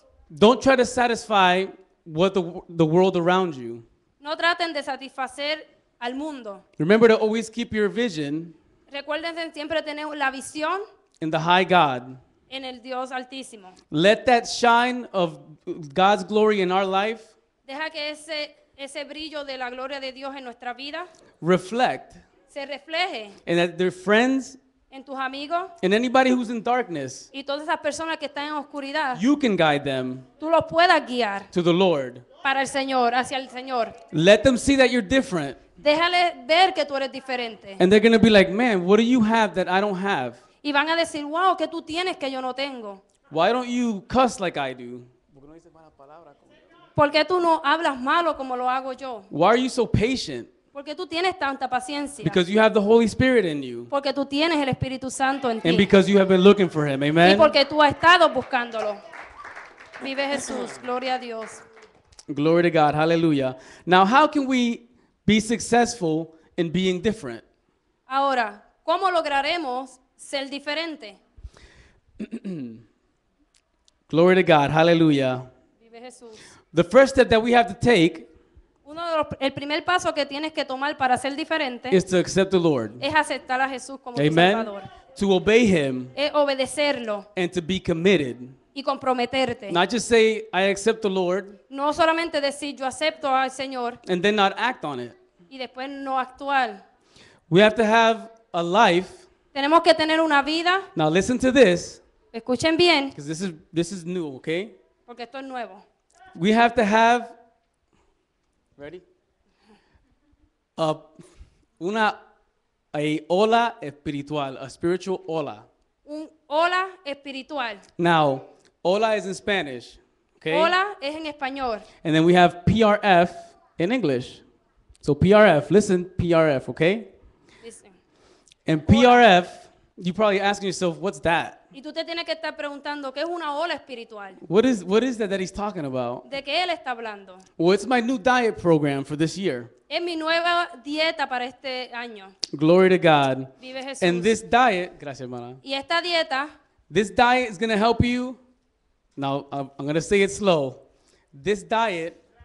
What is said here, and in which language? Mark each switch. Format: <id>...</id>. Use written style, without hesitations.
<en>don't try to satisfy what the world around you.</en> <es>No traten de satisfacer al mundo.</es> <en>Remember to always keep your vision.</en> <es>Recuerden siempre tener la visión.</es> <en>In the high God.</en> <es>En el Dios altísimo.</es> <en>Let that shine of God's glory in our life.</en> <es>Deja que ese brillo de la gloria de Dios en nuestra vida.</es> <en>Reflect.</en> <es>Se refleje.</es> <en>And that their friends.</en> <es>En tus amigos.</es> <en>And anybody who's in darkness.</en> <es>Y todas esas personas que están en oscuridad.</es> <en>You can guide them.</en> <es>Tú los puedas guiar.</es> <en>To the Lord.</en> <es>Para el Señor, hacia el Señor.</es> <en>Let them see that you're different.</en> <es>Déjale ver que tú eres diferente.</es> <en>And they're going to be like, man, what do you have that I don't have?</en> <es>Y van a decir, wow, ¿qué tú tienes que yo no tengo?</es> <en>Why don't you cuss like I do?</en> <es>¿Por qué tú no hablas malo como lo hago yo?</es> <en>Why are you so patient?</en> <es>Porque tú tienes tanta paciencia.</es> <en>Because you have the Holy Spirit in you.</en> <es>Porque tú tienes el Espíritu Santo en ti.</es> <en>And because you have been looking for Him, amen.</en> <es>Y porque tú has estado buscándolo. Vive Jesús, gloria a Dios.</es> <en>Glory to God, hallelujah. Now, how can we be successful in being different?</en> <es>Ahora, ¿cómo lograremos ser diferente?</es> <en>Glory to God, hallelujah.</en> <es>Vive Jesús.</es> <en>The first step that we have to take.</en> <es>Uno de los, el primer paso que tienes que tomar para ser diferente</es> <en>is to accept the Lord.</en> <es>Es aceptar a Jesús como</es> <en>Amen.</en> <es>Tu Salvador.</es> <en>To obey Him.</en> <es>Es obedecerlo.</es> <en>And to be committed.</en> <es>Y comprometerte.</es> <en>Not just say, I accept the Lord.</en> <es>No solamente decir, yo acepto al Señor.</es> <en>And then not act on it.</en> <es>Y después no actuar.</es> <en>We have to have a life.</en> <es>Tenemos que tener una vida.</es> <en>Now listen to this.</en> <es>Escuchen bien.</es> <en>Because this is new, okay?</en> <es>Porque esto es nuevo.</es> <en>We have to have ready?</en> <es>Ola espiritual,</es> <en>a spiritual ola.</en> <es>Un ola espiritual.</es> <en>Now, ola is in Spanish. Okay?</en> <es>Ola es en español.</es> <en>And then we have PRF in English. So PRF, listen, PRF, okay? Listen. And PRF, ola. You're probably asking yourself, what's that?</en> <es>Y tú te tienes que estar preguntando, ¿qué es una ola espiritual?</es> <en>What is that he's talking about?</en> <es>¿De qué él está hablando?</es> <en>Well, it's my new diet program for this year.</en> <es>Es mi nueva dieta para este año.</es> <en>Glory to God.</en> <es>Vive Jesús.</es> <en>And this diet,</en> <es>gracias, hermana. Y esta dieta.</es> <en>This diet is going to help you. Now, I'm going to say it slow. This diet.</en>